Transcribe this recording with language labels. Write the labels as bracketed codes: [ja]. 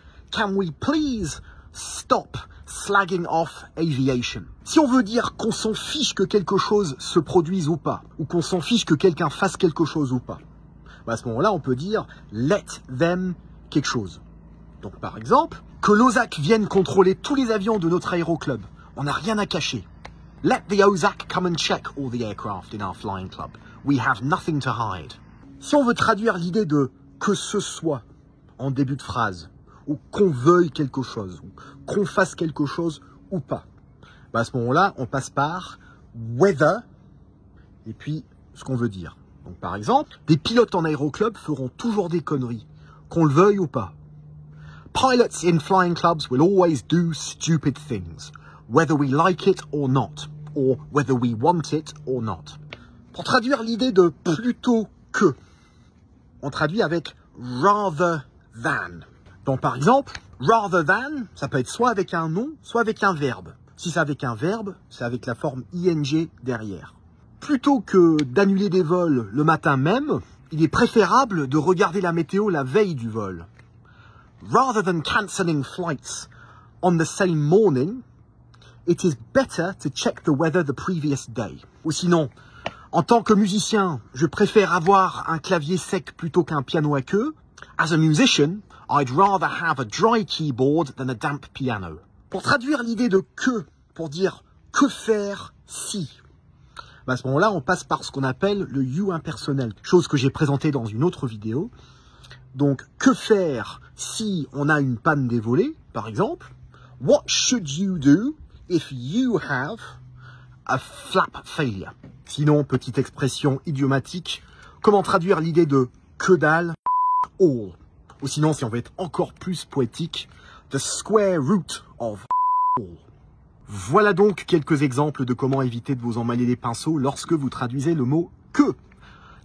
[en] Can we please stop slagging off aviation ? [fr] Si on veut dire qu'on s'en fiche que quelque chose se produise ou pas, ou qu'on s'en fiche que quelqu'un fasse quelque chose ou pas, à ce moment-là, on peut dire [en] let them [fr] quelque chose. Donc par exemple, que l'OSAC vienne contrôler tous les avions de notre aéroclub. On n'a rien à cacher. [en] Let the OSAC come and check all the aircraft in our flying club. We have nothing to hide. [fr] Si on veut traduire l'idée de que ce soit en début de phrase, ou qu'on veuille quelque chose, ou qu'on fasse quelque chose ou pas, à ce moment-là, on passe par [en] whether [fr] et puis ce qu'on veut dire. Donc par exemple, des pilotes en aéroclub feront toujours des conneries, qu'on le veuille ou pas. [en] Pilots in flying clubs will always do stupid things, whether we like it or not, or whether we want it or not. [fr] Pour traduire l'idée de « plutôt que », on traduit avec « [en] rather than ». [fr] Donc par exemple, « [en] rather than [fr] », ça peut être soit avec un nom, soit avec un verbe. Si c'est avec un verbe, c'est avec la forme « ing » derrière. Plutôt que d'annuler des vols le matin même, il est préférable de regarder la météo la veille du vol. [en] « Rather than cancelling flights on the same morning, it is better to check the weather the previous day. » [fr] Ou sinon, en tant que musicien, je préfère avoir un clavier sec plutôt qu'un piano à queue. [en] As a musician, I'd rather have a dry keyboard than a damp piano. [fr] Pour traduire l'idée de que, pour dire que faire si, à ce moment-là, on passe par ce qu'on appelle le [en] you [fr] impersonnel, chose que j'ai présentée dans une autre vidéo. Donc, que faire si on a une panne des volets, par exemple? [en] What should you do if you have a flap failure? [fr] Sinon, petite expression idiomatique, comment traduire l'idée de « que dalle » [en] all ? [fr] Ou sinon, si on veut être encore plus poétique, « [en] the square root of all ». [fr] Voilà donc quelques exemples de comment éviter de vous emmêler les pinceaux lorsque vous traduisez le mot « que ».